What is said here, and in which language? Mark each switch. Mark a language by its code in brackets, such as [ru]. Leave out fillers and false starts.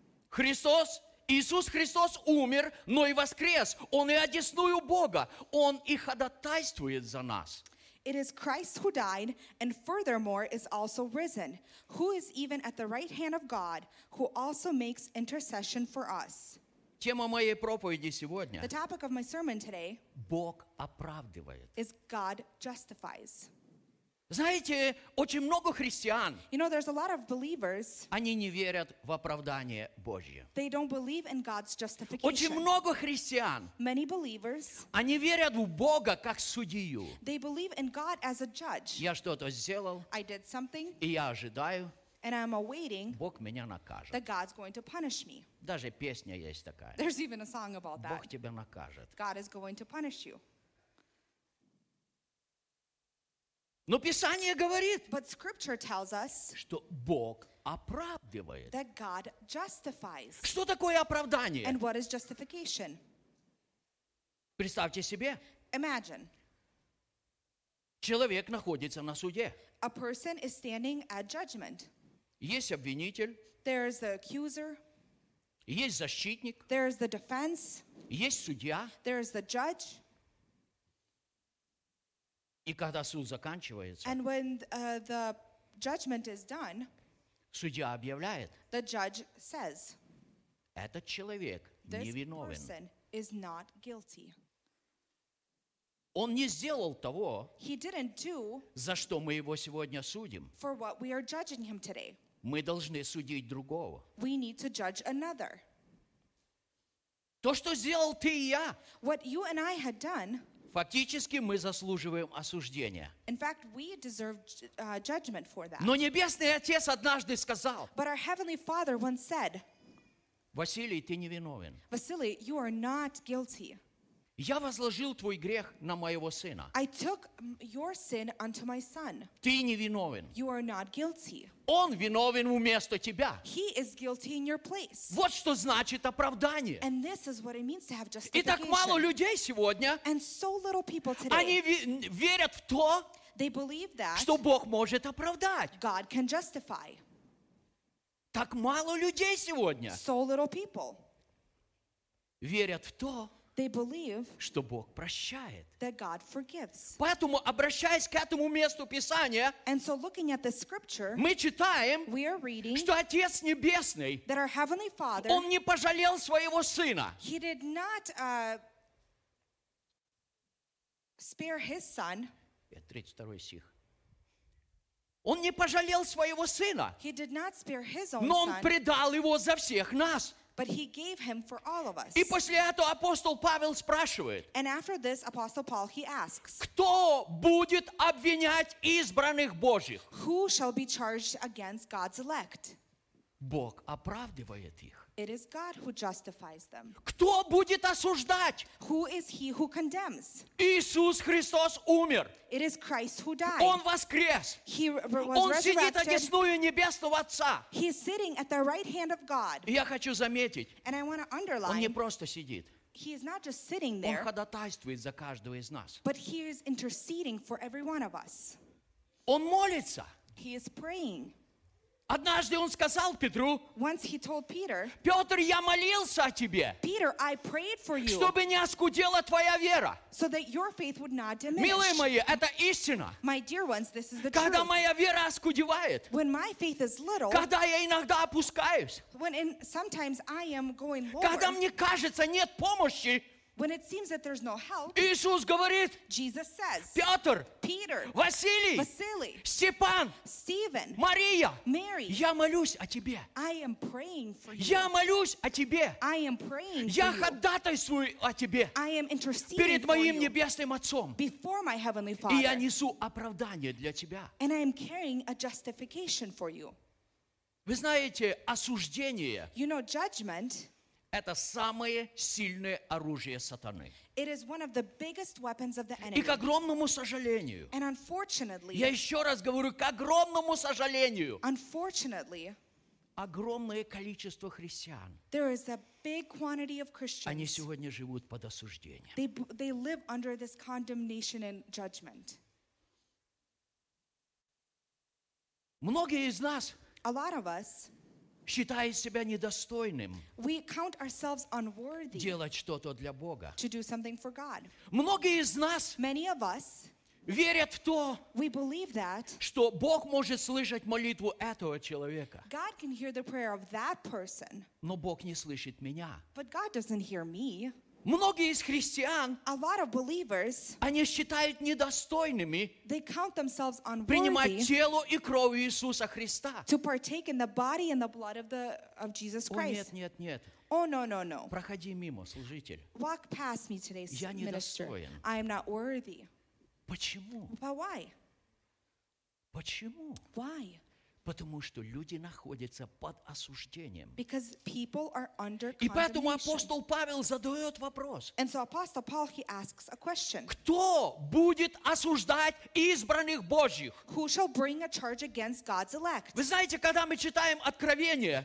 [ru] Христос, Иисус Христос умер, но и воскрес. Он и одесную Бога. Он и ходатайствует за нас. [en] It is Christ who died, and furthermore is also risen, who is even at the right hand of God, who also makes intercession for us. [ru] Тема моей проповеди сегодня. [en] The topic of my sermon today. [ru] Бог оправдывает. [en] Is God justifies. [ru] Знаете, очень много христиан. [en] You know, there's a lot of believers. [ru] Они не верят в оправдание Божье. [en] They don't believe in God's justification. [ru] Очень много христиан. [en] Many believers. [ru] Они верят в Бога как судью. [en] They believe in God as a judge. [ru] Я что-то сделал. [en] I did something. [ru] И я ожидаю. [en] And I'm awaiting [ru] Бог меня накажет. [en] That God's going to punish me. [ru] Даже песня есть такая. [en] There's even a song about that. [ru] Бог тебя накажет. [en] God is going to punish you. [ru] Но Писание говорит, [en] but Scripture tells us, [ru] что Бог оправдывает. [en] That God justifies. [ru] Что такое оправдание? [en] And what is justification? [ru] Представьте себе. [en] Imagine. [ru] Человек находится на суде. [en] A person is standing at judgment. [ru] Есть обвинитель. [en] There is the accuser. [ru] Есть защитник. [en] There is the defense. [ru] Есть судья. [en] There is the judge. [ru] И когда суд заканчивается, [en] and when the judgment is done, [ru] судья объявляет, [en] the judge says, [ru] этот человек невиновен. [en] This person is not guilty. [ru] Он не сделал того, [en] he didn't do, [ru] за что мы его сегодня судим. [en] For what we are judging him today. [ru] Мы должны судить другого. [en] We need to judge another. [ru] То, что сделал ты и я, [en] what you and I had done, [ru] фактически мы заслуживаем осуждения. [en] In fact, we deserve judgment for that. [ru] Но Небесный Отец однажды сказал, [en] but our Heavenly Father once said, [ru] Василий, ты невиновен. [en] Vasiliy, you are not guilty. [ru] Я возложил твой грех на моего сына. [en] I took your sin unto my son. [ru] Ты невиновен. [en] You are not guilty. [ru] Он виновен вместо тебя. [en] He is guilty in your place. [ru] Вот что значит оправдание. [en] And this is what it means to have justification. [ru] И так мало людей сегодня. [en] And so little people today. [ru] Они верят в то, [en] they believe that, [ru] что Бог может оправдать. [en] God can justify. [ru] Так мало людей сегодня. [en] So little people. [ru] Верят в то, [en] they believe, [ru] что Бог прощает. [en] That God forgives. [ru] Поэтому, обращаясь к этому месту Писания, [en] and so looking at the scripture, [ru] мы читаем, [en] we are reading, [ru] что Отец Небесный, [en] that our Heavenly Father, [ru] Он не пожалел своего сына. [en] He did not spare his son. [ru] 32 стих. Он не пожалел своего сына. [en] He did not spare his own son. [ru] Но Он [en] son. [ru] Предал его за всех нас. [en] But he gave him for all of us. [ru] И после этого апостол Павел спрашивает. [en] And after this, Apostle Paul, he asks. [ru] Кто будет обвинять избранных Божьих? [en] Who shall be charged against God's elect? [ru] Бог оправдывает их. [en] It is God who justifies them. [ru] Кто будет осуждать? [en] Who is he who condemns? [ru] Иисус Христос умер. [en] It is Christ who died. [ru] Он воскрес. [en] He was resurrected. [ru] Он сидит одесную небесного Отца. [en] He is sitting at the right hand of God. [ru] Я хочу заметить. [en] And I want to underline. [ru] Он не просто сидит. [en] He is not just sitting there. [ru] Он ходатайствует за каждого из нас. [en] But he is interceding for every one of us. [ru] Он молится. [en] He is praying. [ru] Однажды он сказал Петру, [en] once he told Peter, [ru] Петр, я молился о тебе, [en] Peter, I prayed for you, [ru] чтобы не оскудела твоя вера. [en] So that your faith would not diminish. [ru] Милые мои, это истина. [en] My dear ones, this is the [ru] когда [en] truth. [ru] Моя вера оскудевает, [en] when my faith is little, [ru] когда я иногда опускаюсь, [en] when in, sometimes I am going lower, [ru] когда мне кажется, нет помощи, [en] when it seems that there's no help, [ru] Иисус говорит, [en] Jesus says, [ru] Петр, [en] Peter, [ru] Василий, [en] Vasiliy, [ru] Степан, [en] Stephen, [ru] Мария, [en] Mary, [ru] я молюсь о тебе. [en] I am praying for you. [ru] Я молюсь о тебе. [en] I am praying [ru] я [en] for you. [ru] Ходатайствую о тебе. [en] I am interceding [ru] перед моим [en] for you [ru] небесным Отцом. [en] Before my Heavenly Father. [ru] И я несу оправдание для тебя. [en] And I am carrying a justification for you. [ru] Вы знаете, осуждение, [en] you know, judgment, [ru] это самое сильное оружие сатаны. [en] It is one of the biggest weapons of the enemy. [ru] И к огромному сожалению, [en] and unfortunately, [ru] я еще раз говорю, к огромному сожалению, [en] unfortunately, [ru] огромное количество христиан, [en] there is a big quantity of Christians, [ru] они сегодня живут под осуждением. [en] They live under this condemnation and judgment. [ru] Многие из нас, [en] a lot of us, [ru] считая себя недостойным, [en] we count ourselves unworthy, [ru] делать что-то для Бога. [en] To do something for God. [ru] Многие из нас, [en] many of us, [ru] верят в то, [en] we believe that, [ru] что Бог может слышать молитву этого человека. [en] God can hear the prayer of that person. [ru] Но Бог не слышит меня. [en] But God doesn't hear me. [ru] Многие из христиан, [en] a lot of believers, [ru] они считают недостойными, [en] they count themselves unworthy, [ru] принимать тело и кровь Иисуса Христа, [en] to partake in the body and the blood of Jesus Christ. [ru] О, нет, нет, нет. [en] Oh, no, no, no. [ru] Проходи мимо, служитель. [en] Walk past me today, [ru] я недостоин. [en] I am not worthy. [ru] Почему? [en] But why? [ru] Почему? [en] Why? [ru] Потому что люди находятся под осуждением. [en] Because people are under condemnation. [ru] И поэтому апостол Павел задает вопрос. [en] And so Apostle Paul, he asks a question. [ru] Кто будет осуждать избранных Божьих? [en] Who shall bring a charge against God's elect? [ru] Вы знаете, когда мы читаем Откровение,